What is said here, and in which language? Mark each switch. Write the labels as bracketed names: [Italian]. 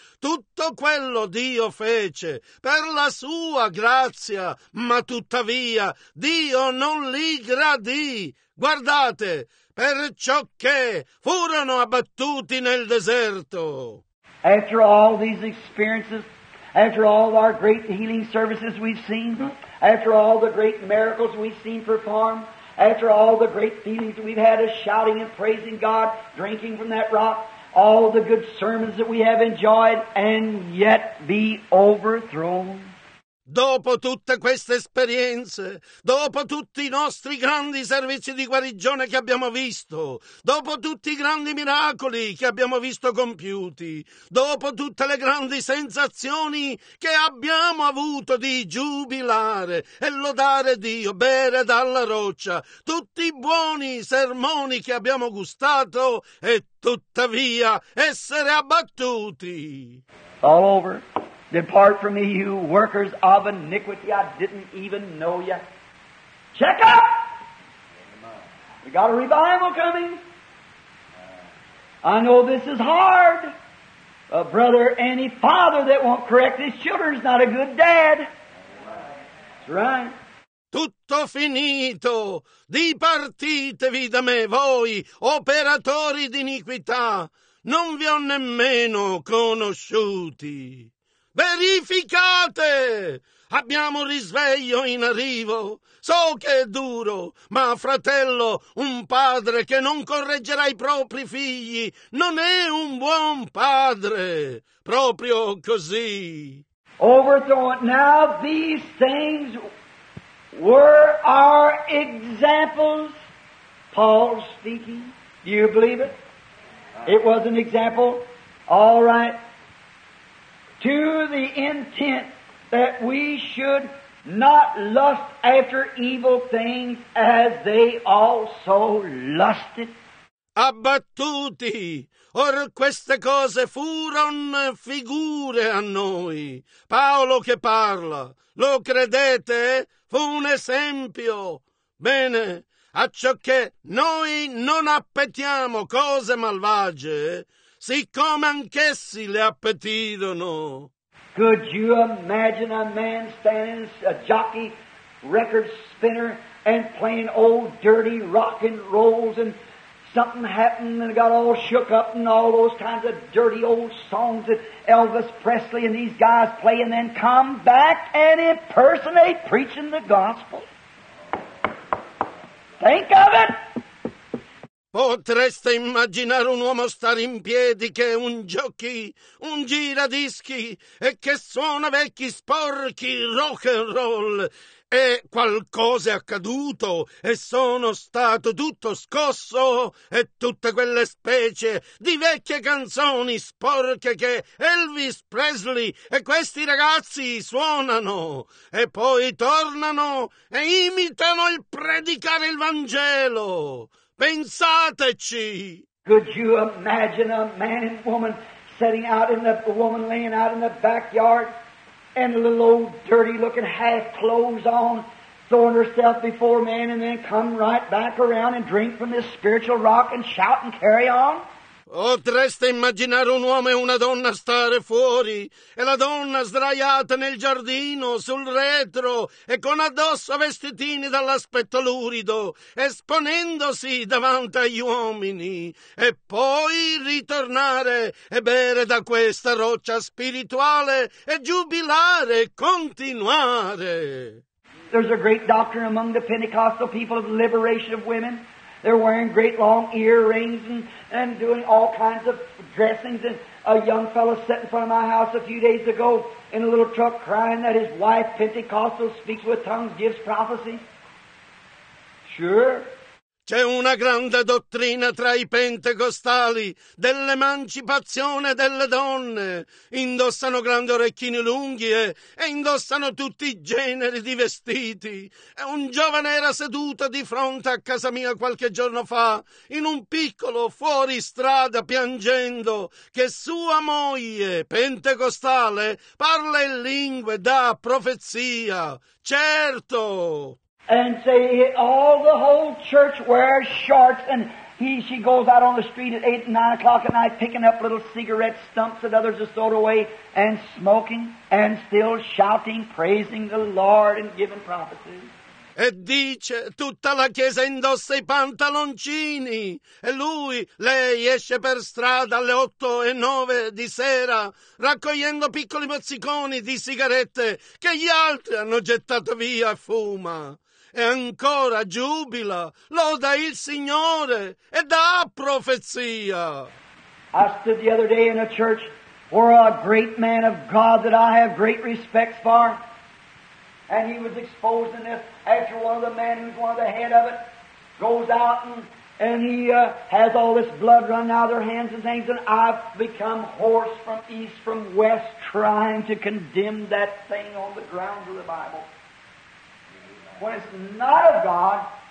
[Italian] Tutto quello Dio fece per la sua grazia, ma tuttavia Dio non li gradì. Guardate! Perciò che furono abbattuti nel deserto. [English] After all these experiences, after all our great healing services we've seen, after all the great miracles we've seen performed, after all the great feelings we've had of shouting and praising God, drinking from that rock, all the good sermons that we have enjoyed, and yet be overthrown. [Italian] Dopo tutte queste esperienze, dopo tutti i nostri grandi servizi di guarigione che abbiamo visto, dopo tutti i grandi miracoli che abbiamo visto compiuti, dopo tutte le grandi sensazioni che abbiamo avuto di giubilare e lodare Dio, bere dalla roccia, tutti i buoni sermoni che abbiamo gustato e tuttavia essere abbattuti. [English] All over. Depart from me, you workers of iniquity. I didn't even know you. Check up! We got a revival coming. I know this is hard. A brother, any father that won't correct his children is not a good dad. That's right. [Italian] tutto finito. Dipartitevi da me, voi operatori d'iniquità. Non vi ho nemmeno conosciuti. Verificate! Abbiamo risveglio in arrivo. So che è duro, ma fratello, un padre che non correggerà i propri figli non è un buon padre. Proprio così. [English] Overthrow it. Now these things were our examples. Paul speaking. Do you believe it? It was an example. All right. To the intent that we should not lust after evil things as they also lusted. [Italian] Abbattuti, or queste cose furono figure a noi. Paolo che parla, lo credete? Fu un esempio. Bene, a ciò che noi non appetiamo cose malvagie, siccome anch'essi le appetirono. [English] Could you imagine a man standing, a jockey, record spinner, and playing old dirty rock and rolls, and something happened and got all shook up, and all those kinds of dirty old songs that Elvis Presley and these guys play, and then come back and impersonate preaching the gospel? Think of it! [Italian] Potreste immaginare un uomo stare in piedi che è un jockey, un giradischi e che suona vecchi sporchi rock and roll. E qualcosa è accaduto e sono stato tutto scosso e tutte quelle specie di vecchie canzoni sporche che Elvis Presley e questi ragazzi suonano e poi tornano e imitano il predicare il Vangelo. Pensateci. [English] Could you imagine a man and woman sitting out in the, a woman laying out in the backyard and a little old dirty looking half clothes on, throwing herself before man and then come right back around and drink from this spiritual rock and shout and carry on? [Italian] Potreste immaginare un uomo e una donna stare fuori e la donna sdraiata nel giardino sul retro e con addosso vestitini dall'aspetto lurido esponendosi davanti agli uomini e poi ritornare e bere da questa roccia spirituale e giubilare e continuare. [English] There's a great doctrine among the Pentecostal people of the liberation of women. They're wearing great long earrings and doing all kinds of dressings. And a young fellow sat in front of my house a few days ago in a little truck crying that his wife, Pentecostal, speaks with tongues, gives prophecy. Sure. [Italian] C'è una grande dottrina tra i pentecostali dell'emancipazione delle donne. Indossano grandi orecchini lunghi e indossano tutti i generi di vestiti. E un giovane era seduto di fronte a casa mia qualche giorno fa, in un piccolo fuori strada, piangendo che sua moglie, pentecostale, parla in lingue da profezia. Certo! [English] And say all the whole church wears shorts, and she goes out on the street at 8 and 9 o'clock at night picking up little cigarette stumps that others have thrown away and smoking and still shouting, praising the Lord and giving prophecies. [Italian] E dice, tutta la chiesa indossa i pantaloncini. E lui, lei esce per strada alle 8 e 9 di sera, raccogliendo piccoli mozziconi di sigarette che gli altri hanno gettato via e fuma. E ancora giubila, loda il Signore e dà profezia. [English] I stood the other day in a church for a great man of God that I have great respect for. And he was exposed in this after one of the men who's one of the head of it goes out and he has all this blood running out of their hands and things. And I've become hoarse from east, from west, trying to condemn that thing on the grounds of the Bible. When it's not of God,